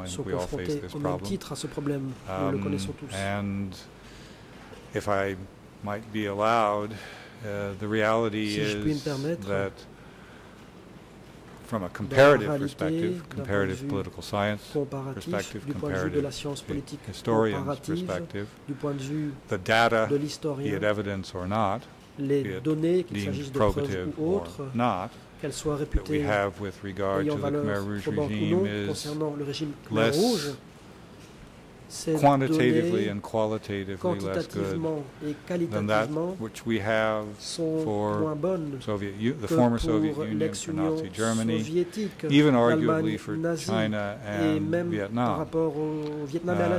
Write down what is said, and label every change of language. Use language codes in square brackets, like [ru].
[en] I think we all face this problem. And if I might be allowed, the reality is that from a comparative perspective, comparative political science perspective, comparative historian's perspective, the data, be it evidence or not, [fr] qu'elles soient réputées ayant valeur probante ou non concernant le régime Khmer Rouge, c'est [en] quantitatively and qualitatively less good than that which we have for the former Soviet Union, for Nazi Germany, even arguably for China and Vietnam.